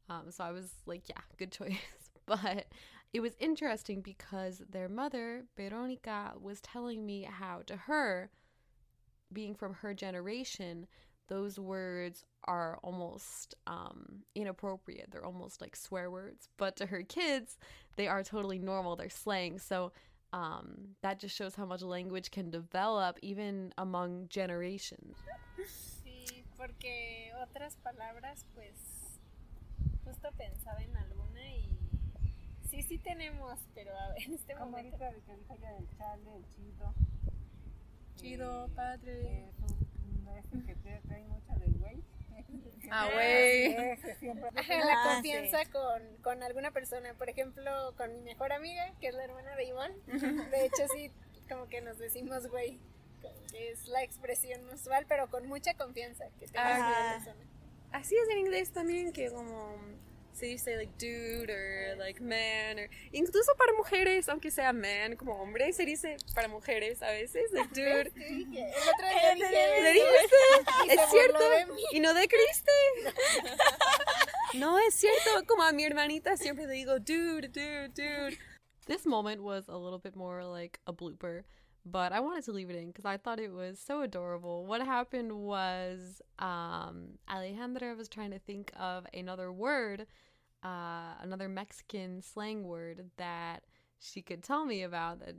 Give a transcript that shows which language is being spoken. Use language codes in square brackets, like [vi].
[en] So I was like, yeah, good choice. But it was interesting because their mother, Veronica, was telling me how, to her, being from her generation, those words are almost inappropriate. They're almost like swear words. But to her kids, they are totally normal. They're slang. So that just shows how much language can develop even among generations. [es] Sí, porque otras palabras, pues, justo pensaba en alguna y sí, sí tenemos, pero a ver, en este como momento. Como ahorita que dijo ya del chale, el chido. Chido, padre. Que trae mucho del güey. Ah, güey. La confianza con alguna persona. Por ejemplo, con mi mejor amiga, que es la hermana de Ivonne. De hecho, sí, como que nos decimos güey. Es la expresión usual, pero con mucha confianza que tenga la persona. Así es en inglés también, que como se dice [en] like dude or like man. [es] Or, incluso para mujeres, aunque sea man, como hombre, se dice para mujeres a veces, [en] like dude. [es] Sí, el otro día dije. ¿Le dijiste? Es cierto. Y no de Cristi. No es cierto. Como a mi hermanita siempre le digo dude, dude, dude. [en] This moment was a little bit more like a blooper, but I wanted to leave it in because I thought it was so adorable. What happened was Alejandra was trying to think of another word, another Mexican slang word that she could tell me about.